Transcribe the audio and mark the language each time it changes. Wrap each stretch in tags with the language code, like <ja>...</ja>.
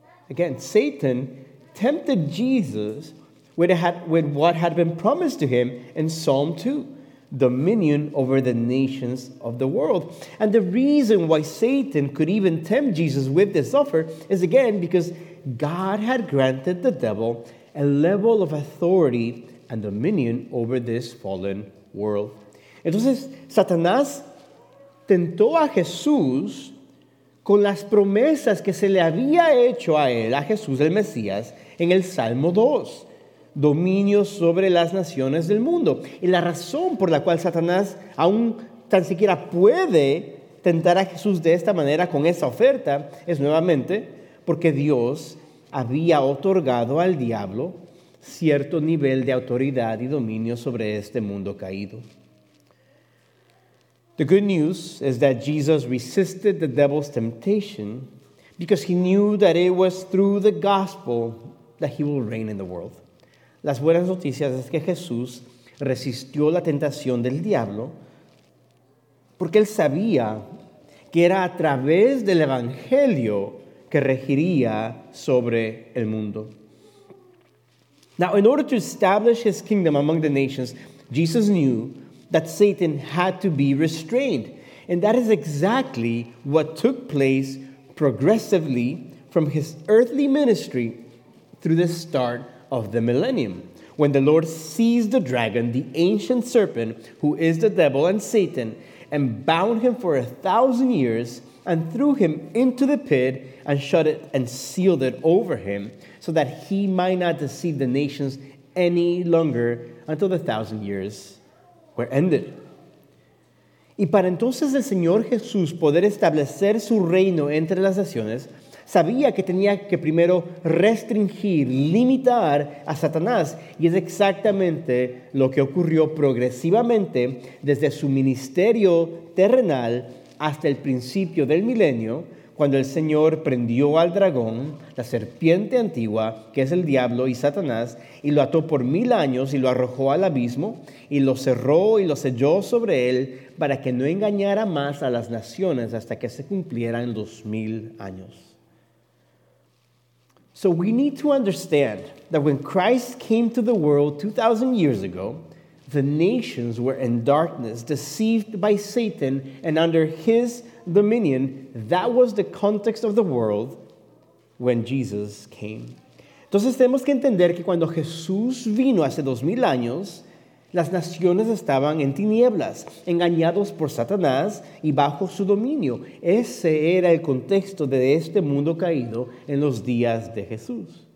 <en>Again, Satan tempted Jesus with what had been promised to him in Psalm 2, dominion over the nations of the world. And the reason why Satan could even tempt Jesus with this offer is, again, because God had granted the devil a level of authority and dominion over this fallen world.</en> <es>Entonces, Satanás tentó a Jesús con las promesas que se le había hecho a él, a Jesús, el Mesías, en el Salmo 2. Dominio sobre las naciones del mundo. Y la razón por la cual Satanás aún tan siquiera puede tentar a Jesús de esta manera con esa oferta es nuevamente porque Dios había otorgado al diablo cierto nivel de autoridad y dominio sobre este mundo caído.</es> <en>The good news is that Jesus resisted the devil's temptation because he knew that it was through the gospel that he will reign in the world.</en> <es>Las buenas noticias es que Jesús resistió la tentación del diablo porque él sabía que era a través del evangelio que regiría sobre el mundo.</es> <en>Now, in order to establish his kingdom among the nations, Jesus knew that Satan had to be restrained. And that is exactly what took place progressively from his earthly ministry through the start of the millennium, when the Lord seized the dragon, the ancient serpent, who is the devil and Satan, and bound him for 1,000 years and threw him into the pit and shut it and sealed it over him so that he might not deceive the nations any longer until the 1,000 years were ended.</en> <es>Y para entonces el Señor Jesús poder establecer su reino entre las naciones, sabía que tenía que primero restringir, limitar a Satanás. Y es exactamente lo que ocurrió progresivamente desde su ministerio terrenal hasta el principio del milenio, cuando el Señor prendió al dragón, la serpiente antigua, que es el diablo y Satanás, y lo ató por 1,000 años y lo arrojó al abismo, y lo cerró y lo selló sobre él para que no engañara más a las naciones hasta que se cumplieran 2,000 años.</es> <en>So we need to understand that when Christ came to the world 2,000 years ago, the nations were in darkness, deceived by Satan and under his dominion. That was the context of the world when Jesus came.</en> <es>Entonces tenemos que entender que cuando Jesús vino hace 2,000 años, las naciones estaban en tinieblas, engañados por Satanás y bajo su dominio. Ese era el contexto de este mundo caído en los días de Jesús.</es>